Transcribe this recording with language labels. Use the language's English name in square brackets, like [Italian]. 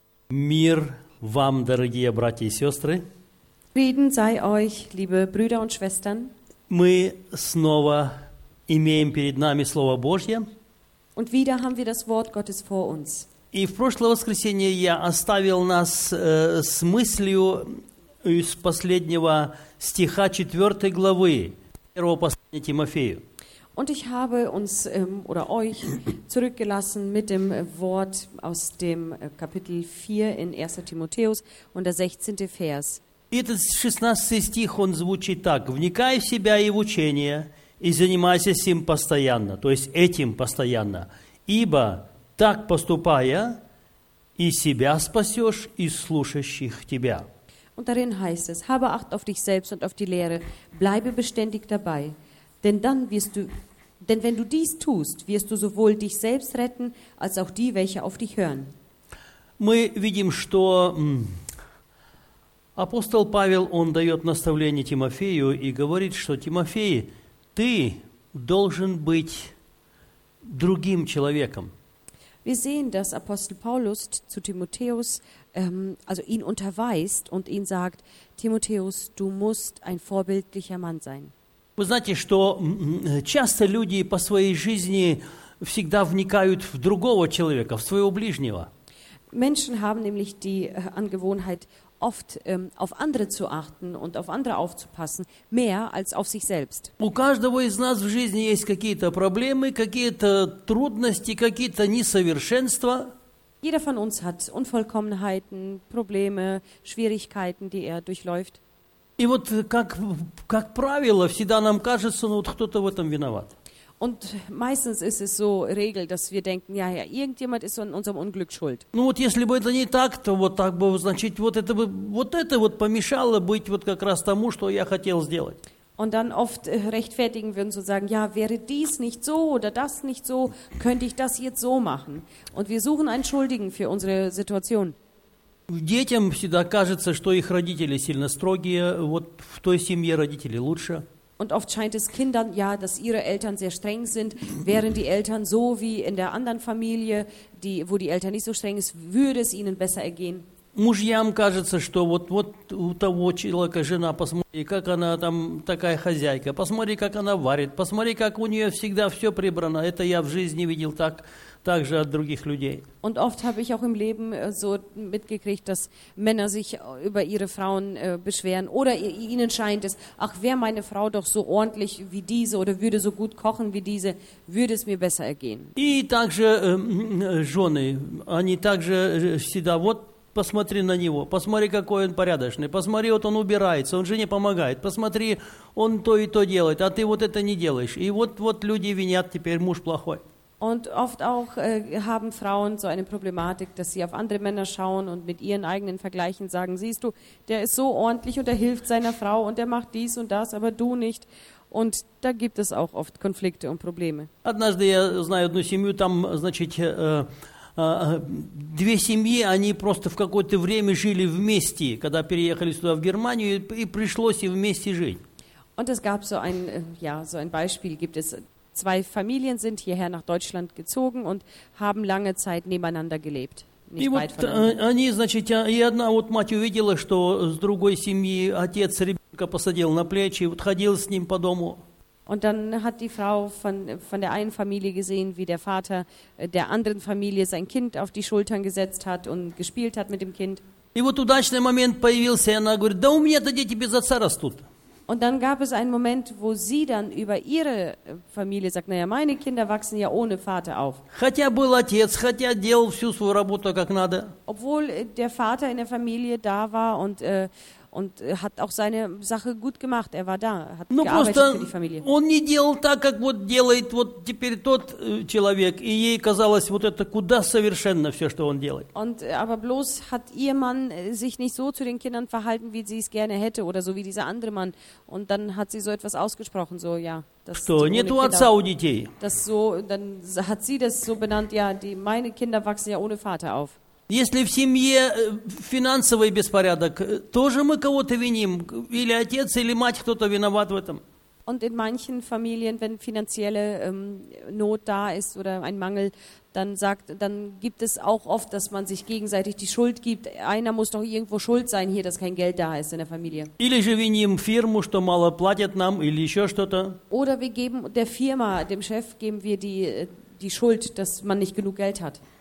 [Russian] Мир вам, дорогие братья и сестры. [German] Frieden sei euch, liebe Brüder und Schwestern. [Russian] Мы снова имеем перед нами Слово Божье. [German] Und wieder haben wir das Wort Gottes vor uns. [Russian] И в прошлое воскресенье я оставил нас с мыслью из последнего стиха 4 главы 1 послания Тимофею. [German] Und ich habe uns oder euch zurückgelassen mit dem Wort aus dem Kapitel 4 in 1. Timotheus und der 16. Vers. [Russian] Этот 16 стих, он звучит так: «Вникай в себя и в учение, и занимайся с ним постоянно», то есть этим постоянно, «ибо так поступая, и себя спасешь, и слушающих тебя». [German] Und darin heißt es: «Habe Acht auf dich selbst und auf die Lehre, bleibe beständig dabei». Denn wenn du dies tust, wirst du sowohl dich selbst retten, als auch die, welche auf dich hören. [Russian] Мы видим, что апостол Павел, он дает наставление Тимофею и говорит, что Тимофей, ты должен быть другим человеком. [German] Wir sehen, dass Apostel Paulus zu Timotheus, also ihn unterweist und ihn sagt: Timotheus, du musst ein vorbildlicher Mann sein. [Russian] Вы знаете, что часто люди по своей жизни всегда вникают в другого человека, в своего ближнего. [German] Menschen haben nämlich die Angewohnheit, oft auf andere zu achten und auf andere aufzupassen, mehr als auf sich selbst. [Russian] У каждого из нас в жизни есть какие-то проблемы, какие-то трудности, какие-то несовершенства. [German] Jeder von uns hat Unvollkommenheiten, Probleme, Schwierigkeiten, die er durchläuft. [Russian] И вот как правило, всегда нам кажется, ну вот кто-то в этом виноват. [German] Und meistens ist es so Regel, dass wir denken, ja, irgendjemand ist an unserem Unglück schuld. [Russian] Ну вот если бы это не так, то вот так бы, значит, вот это помешало быть вот как раз тому, что я хотел сделать. [German] Und dann oft rechtfertigen würden so sagen, ja, wäre dies nicht so oder das nicht so, könnte ich das jetzt so machen. Und wir suchen einen Schuldigen für unsere Situation. [Russian] Детям всегда кажется, что их родители сильно строгие, вот в той семье родители лучше. [German] Und oft scheint es Kindern, ja, dass ihre Eltern sehr streng sind, wären die Eltern so wie in der anderen Familie, wo die Eltern nicht so streng ist, würde es ihnen besser ergehen. [Russian] Мужьям кажется, что вот у того человека жена, посмотри, как она там такая хозяйка, посмотри, как она варит, посмотри, как у нее всегда все прибрано, это я в жизни видел так. Также от других людей. [German] Und oft habe ich auch im Leben so mitgekriegt, dass Männer sich über ihre Frauen beschweren oder ihnen scheint es, ach, wäre meine Frau doch so ordentlich wie diese oder würde so gut kochen wie diese, würde es mir besser ergehen. [Russian] И также жены, они также всегда, вот посмотри на него, посмотри, какой он порядочный, посмотри, вот он убирается, он жене помогает, посмотри, он то и то делает, а ты вот это не делаешь. И вот люди винят, теперь муж плохой. [German] Und oft auch haben Frauen so eine Problematik, dass sie auf andere Männer schauen und mit ihren eigenen Vergleichen sagen, siehst du, der ist so ordentlich und er hilft seiner Frau und er macht dies und das, aber du nicht. Und da gibt es auch oft Konflikte und Probleme. [Russian] Однажды я знаю одну семью, там, значит, две семьи, они просто в какое-то время жили вместе, когда переехали сюда в Германию, и пришлось им вместе жить. [German] Und es gab so ein, ja, so ein Beispiel, gibt es. Zwei Familien sind hierher nach Deutschland gezogen und haben lange Zeit nebeneinander gelebt. Nicht weit voneinander. [Russian] Что с другой семьи отец ребенка посадил на плечи, вот ходил с ним по дому. [German] Und dann hat die Frau von der einen Familie gesehen, wie der Vater der anderen Familie sein Kind auf die Schultern gesetzt hat und gespielt hat mit dem Kind. [Russian] И вот удачный момент появился, и она говорит: «Да у меня-то дети без отца растут». [German] Und dann gab es einen Moment, wo sie dann über ihre Familie sagt, naja, meine Kinder wachsen ja ohne Vater auf. [Russian] Хотя был отец, хотя делал всю свою работу как надо. [German] Obwohl der Vater in der Familie da war und hat auch seine Sache gut gemacht, er war da, hat [Russian] Но [German] gearbeitet für die Familie. [Russian] Он не делал так, как вот делает вот теперь тот человек, и ей казалось, вот это куда совершенно все, что он делает. [German] Und aber bloß hat ihr Mann sich nicht so zu den Kindern verhalten, wie sie es gerne hätte, oder so wie dieser andere Mann. Und dann hat sie so etwas ausgesprochen, so, ja. [Russian] Что, нет у отца у детей? [German] Das so, dann hat sie das so benannt, ja, meine Kinder wachsen ja ohne Vater auf. [Russian] Если в семье финансовый беспорядок, тоже мы кого-то виним, или отец, или мать, кто-то виноват в этом. [German] Und in manchen Familien, wenn finanzielle Not da ist oder ein Mangel, dann gibt es auch oft, dass man sich gegenseitig die Schuld gibt. Einer muss doch irgendwo schuld sein hier, dass kein Geld da ist in der Familie. Oder wir geben der Firma, dem Chef, geben wir die Schuld, dass man nicht genug Geld hat.